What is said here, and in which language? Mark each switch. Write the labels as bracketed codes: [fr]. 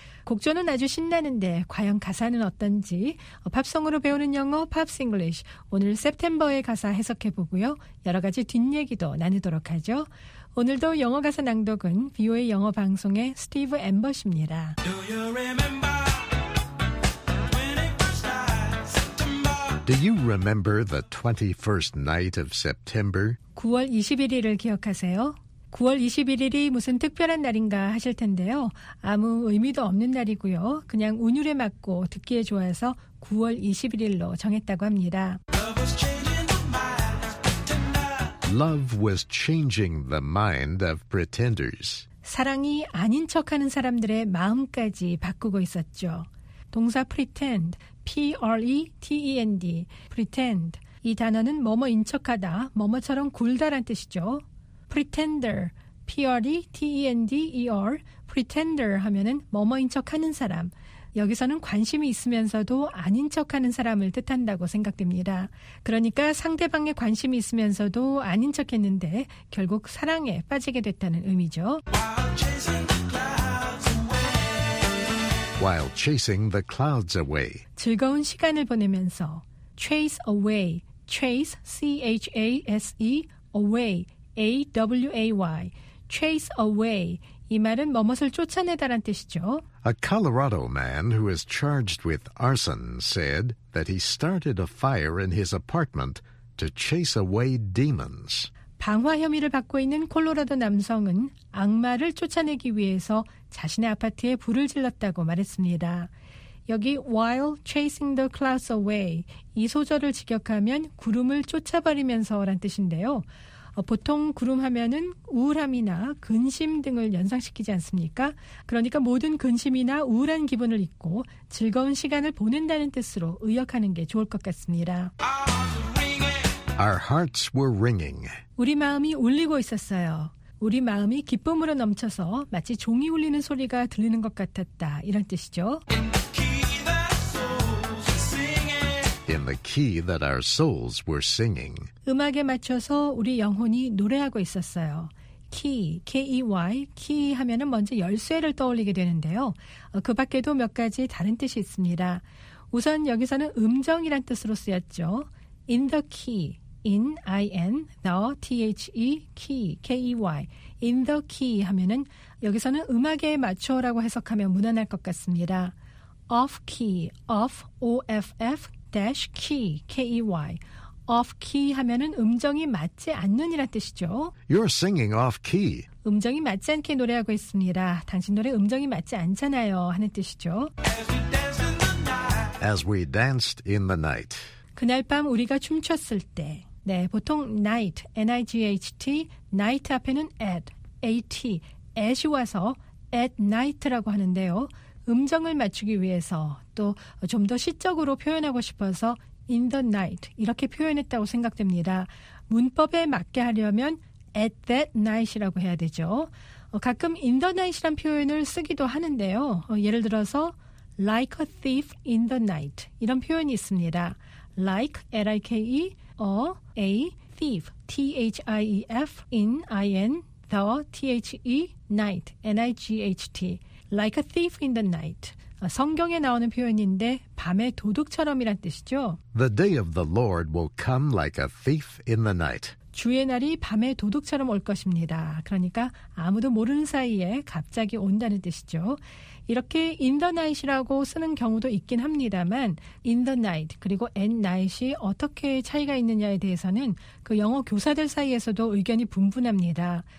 [ko] 곡조는 아주 신나는데 과연 가사는 어떤지 팝송으로 배우는 영어 팝스 잉글리시 오늘 September의 가사 해석해보고요. 여러 가지 뒷얘기도 나누도록 하죠. 오늘도 영어 가사 낭독은 VOA 영어 방송의 스티브 앰버십니다. [en] Do you remember? Do you remember the 21st night of September? [ko] 9월 21일을 기억하세요. 9월 21일이 무슨 특별한 날인가 하실 텐데요. 아무 의미도 없는 날이고요. 그냥 운율에 맞고 듣기에 좋아서 9월 21일로 정했다고 합니다. [en] Love was changing the mind of pretenders. [ko] 사랑이 아닌 척하는 사람들의 마음까지 바꾸고 있었죠. 동사 [en] pretend, P-R-E-T-E-N-D, pretend. [ko] 이 단어는 뭐뭐인 척하다, 뭐뭐처럼 굴다란 뜻이죠. [en] Pretender, P-R-E-T-E-N-D-E-R, pretender [ko] 하면은 뭐뭐인 척하는 사람. 여기서는 관심이 있으면서도 아닌 척하는 사람을 뜻한다고 생각됩니다. 그러니까 상대방의 관심이 있으면서도 아닌 척했는데 결국 사랑에 빠지게 됐다는 의미죠. [en] While chasing the clouds away. [ko] 즐거운 시간을 보내면서 [en] chase away, chase, C-H-A-S-E, away, A-W-A-Y, chase away. [ko] 이 말은 뭐뭇을 쫓아내다란 뜻이죠. [en] A Colorado man who is charged with arson said that he started a fire in his apartment to chase away demons. [ko] 방화 혐의를 받고 있는 콜로라도 남성은 악마를 쫓아내기 위해서 자신의 아파트에 불을 질렀다고 말했습니다. 여기 [en] while chasing the clouds away, [ko] 이 소절을 직역하면 구름을 쫓아버리면서란 뜻인데요. 보통 구름 하면은 우울함이나 근심 등을 연상시키지 않습니까? 그러니까 모든 근심이나 우울한 기분을 잊고 즐거운 시간을 보낸다는 뜻으로 의역하는 게 좋을 것 같습니다. [en] Our hearts were ringing. [ko] 우리 마음이 울리고 있었어요. 우리 마음이 기쁨으로 넘쳐서 마치 종이 울리는 소리가 들리는 것 같았다. 이런 뜻이죠. [en] In the key that our souls were singing. [ko] 음악에 맞춰서 우리 영혼이 노래하고 있었어요. [en] Key, K-E-Y, key [ko] 하면은 먼저 열쇠를 떠올리게 되는데요. 그 밖에도 몇 가지 다른 뜻이 있습니다. 우선 여기서는 음정이란 뜻으로 쓰였죠. [en] In the key, in, I-N, the, T-H-E, key, K-E-Y, in the key [ko] 하면은 여기서는 음악에 맞춰라고 해석하면 무난할 것 같습니다. [en] Off key, off, O-F-F, dash, key, K-E-Y, off key [ko] 하면은 음정이 맞지 않는 이란 뜻이죠. [en] You're singing off key. [ko] 음정이 맞지 않게 노래하고 있습니다. 당신 노래 음정이 맞지 않잖아요 하는 뜻이죠. [en] As we danced in the night. As we danced in the night. [ko] 그날 밤 우리가 춤췄을 때, 네, 보통 night, N-I-G-H-T, night 앞에는 at, A-T, at이 와서 at night라고 하는데요. 음정을 맞추기 위해서 또 좀 더 시적으로 표현하고 싶어서 [en] in the night [ko] 이렇게 표현했다고 생각됩니다. 문법에 맞게 하려면 [en] at that night [ko] 이라고 해야 되죠. 가끔 [en] in the night [ko] 이란 표현을 쓰기도 하는데요. 예를 들어서 [en] like a thief in the night [ko] 이런 표현이 있습니다. [en] Like, L-I-K-E, a, a, thief, T-H-I-E-F, in, I-N, the, T-H-E, night, N-I-G-H-T, like a thief in the night. [ko] 성경에 나오는 표현인데 밤에 도둑처럼이란 뜻이죠. [en] The day of the Lord will come like a thief in the night. [ko] 주의 날이 밤에 도둑처럼 올 것입니다. 그러니까 아무도 모르는 사이에 갑자기 온다는 뜻이죠. 이렇게 [en] in the night [ko] 이라고 쓰는 경우도 있긴 합니다만 in the night 그리고 at night이 어떻게 차이가 있느냐에 대해서는 그 영어 교사들 사이에서도 의견이 분분합니다.